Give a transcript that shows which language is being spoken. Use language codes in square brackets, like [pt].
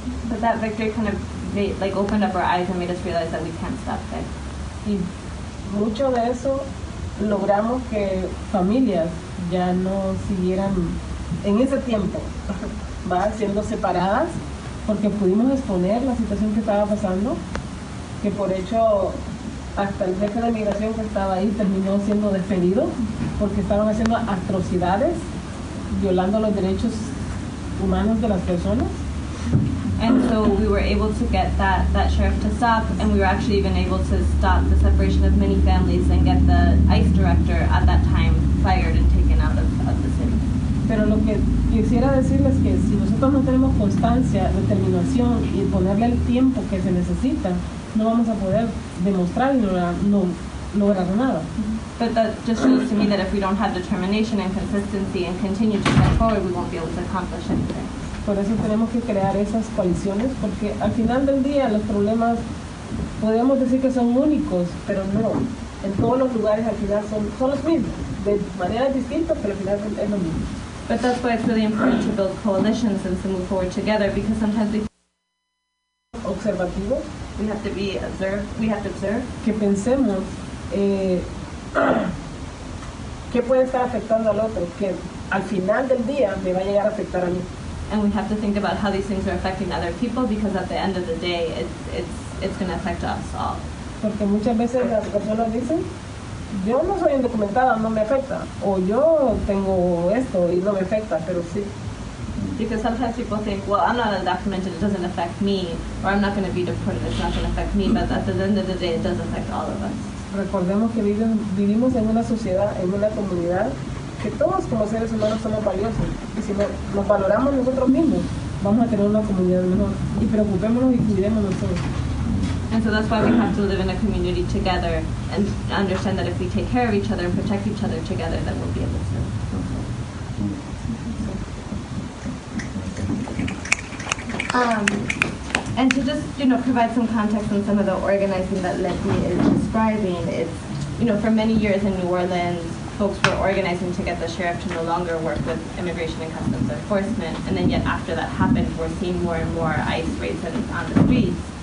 [en] But that victory kind of opened up our eyes and made us realize that we can't stop there. [es] Y mucho de eso logramos que familias ya no siguieran en ese tiempo, va siendo separadas, porque pudimos exponer la situación que estaba pasando, que por hecho hasta el jefe de migración que estaba ahí terminó siendo despedido, porque estaban haciendo atrocidades, violando los derechos humanos de las personas. [en] And so we were able to get that sheriff to stop, and we were actually even able to stop the separation of many families and get the ICE director at that time fired and taken out of the city. [es] Pero lo que quisiera decirles que si nosotros no tenemos constancia, determinación y ponerle el tiempo que se necesita, no vamos a poder demostrar y no lograr nada. [en] But that just shows to me that if we don't have determination and consistency and continue to step forward, we won't be able to accomplish anything. [es] Por eso tenemos que crear esas coaliciones, porque al final del día los problemas podríamos decir que son únicos, pero no. En todos los lugares al final son los mismos, de maneras distintas, pero al final es lo mismo. [en] But that's why it's really important to build coalitions and to move forward together, because sometimes we [es] observativos. [en] We have to be observed. We have to observe. [es] Que pensemos qué puede estar afectando al otro, que al final del día me va a llegar a afectar a mí. [en] And we have to think about how these things are affecting other people, because at the end of the day, it's going to affect us all. [es] Porque muchas veces las personas dicen, yo no soy indocumentada, no me afecta. O yo tengo esto y no me afecta, pero sí. [en] Because sometimes people think, well, I'm not undocumented, it doesn't affect me. Or I'm not going to be deported, it's not going to affect me. But at the end of the day, it does affect all of us. [es] Recordemos que vivimos en una sociedad, en una comunidad, que todos como seres humanos somos valiosos, y si nos valoramos nosotros mismos, vamos a tener una comunidad mejor, y preocupémonos y cuidemos nosotros. [en] And so that's why we have to live in a community together and understand that if we take care of each other and protect each other together, then we'll be able to. And to just, you know, provide some context on some of the organizing that Leti is describing, it's, you know, for many years in New Orleans, folks were organizing to get the sheriff to no longer work with Immigration and Customs Enforcement, and then yet after that happened, we're seeing more and more ICE raids on the streets.